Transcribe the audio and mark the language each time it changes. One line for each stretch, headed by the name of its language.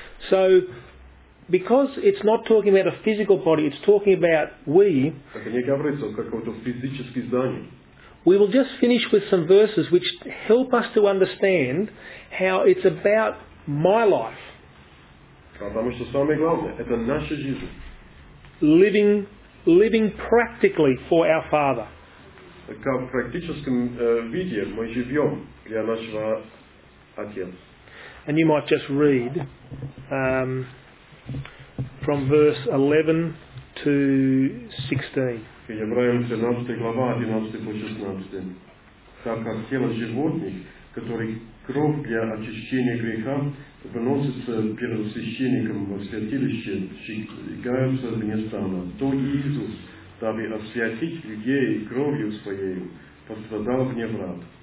English: So, because it's not talking about a physical body, it's talking about we.
Russian: Это не говорится о каком-то физическом здании.
English: We will just finish with some verses which help us to understand how it's about my life.
Russian: Потому что самое главное, это наша жизнь.
English: Living practically for our Father.
Russian: Как в практическом виде мы живем для нашего Отец.
English: And you might just read from verse 11 to 16.
Russian: Евреям 13 глава, 11 по 16. Так как тело животных, которое кровь для очищения греха, выносится первосвященником во святилище, щегается вне стана, то Иисус, дабы освятить людей кровью Своей, пострадал вне врат.